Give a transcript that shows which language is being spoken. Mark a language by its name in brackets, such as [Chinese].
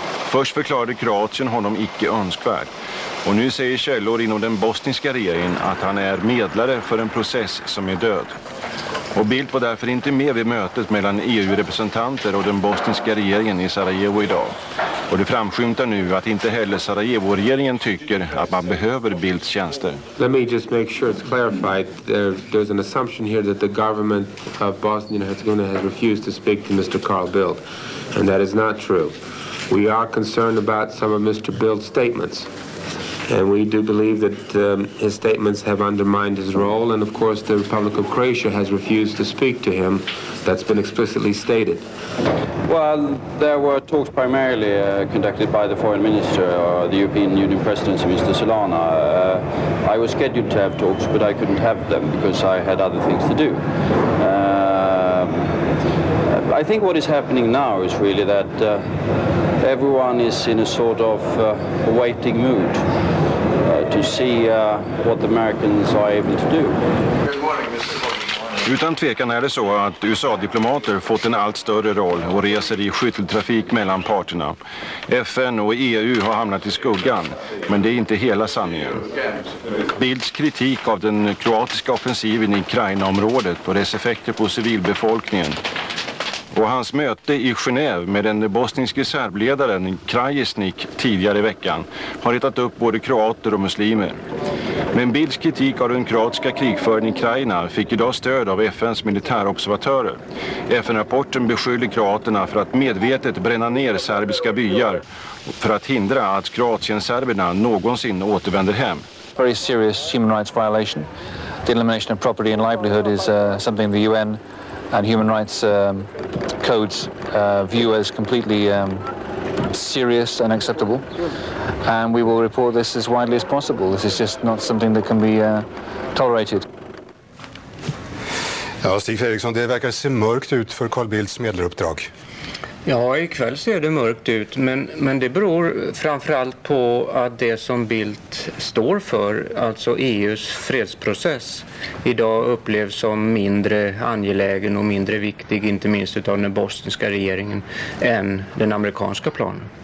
[Swedish] Först förklarade Kroatien honom icke önskvärd. Och nu säger källor inom den bosniska regeringen att han är medlare för en process som är död. Och Bildt var därför inte med vid mötet mellan EU-representanter och den bosniska regeringen i Sarajevo idag. Och det framskymtar nu att inte heller Sarajevo-regeringen tycker att man behöver Bildts tjänster. [English] Let me just make sure it's clarified. There's an assumption here that the government of Bosnia and Herzegovina has refused to speak to Mr. Carl Bildt. And that is not true. We are concerned about some of Mr. Bildt's statements. And we do believe that his statements have undermined his role, and of course the Republic of Croatia has refused to speak to him. That's been explicitly stated. Well, there were talks primarily conducted by the foreign minister or the European Union presidency, Mr. Solana. I was scheduled to have talks, but I couldn't have them because I had other things to do. I think what is happening now is really that everyone is in a sort of waiting mood to see what the Americans are able to do. [Swedish] Utan tvekan är det så att USA-diplomater fått en allt större roll och reser i skytteltrafik mellan parterna. FN och EU har hamnat i skuggan, men det är inte hela sanningen. Bildts kritik av den kroatiska offensiven i Ukraina-området och dess effekter på civilbefolkningen och hans möte i Genève med den bosniske serbledaren Krajisnik tidigare i veckan har retat upp både kroater och muslimer. Men Bildts kritik av den kroatiska krigföringen i Ukraina fick idag stöd av FNs militärobservatörer. FN-rapporten beskyller kroaterna för att medvetet bränna ner serbiska byar för att hindra att kroatienserberna någonsin återvänder hem. [English] Very serious human rights violation. The elimination of property and livelihood is something the UN and human rights codes view as completely serious and acceptable, and we will report this as widely as possible. This is just not something that can be tolerated. [Swedish] Ja, Stig Fredriksson, det verkar se mörkt ut för Carl Bildts medleruppdrag. Ja, ikväll ser det mörkt ut, men det beror framförallt på att det som Bildt står för, alltså EUs fredsprocess, idag upplevs som mindre angelägen och mindre viktig, inte minst av den bosniska regeringen, än den amerikanska planen.